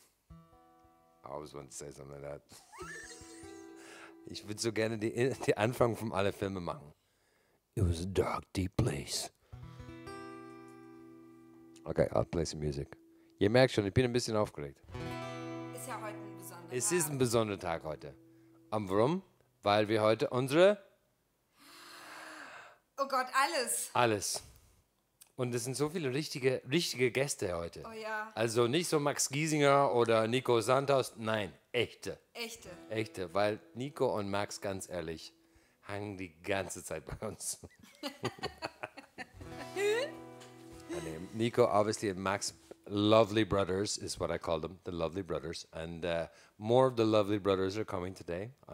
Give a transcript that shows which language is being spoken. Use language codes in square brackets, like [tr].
[en] I always want to say something like that. [de] Ich würde so gerne die Anfang von alle Filme machen. It was a dark, deep place. [en] Okay, I'll play some music. [de] Ihr merkt schon, ich bin ein bisschen aufgeregt. Ist ja heute ein besonderer Tag. Es ist ein besonderer Tag heute. Und warum? Weil wir heute unsere... Oh Gott, alles. Alles. Und es sind so viele richtige Gäste heute. Oh ja. Also nicht so Max Giesinger oder Nico Santos, nein, echte. Echte. Echte, weil Nico und Max, ganz ehrlich, hangen die ganze Zeit bei uns. [en] Nico, obviously, and Max, lovely brothers is what I call them, the lovely brothers. And more of the lovely brothers are coming today.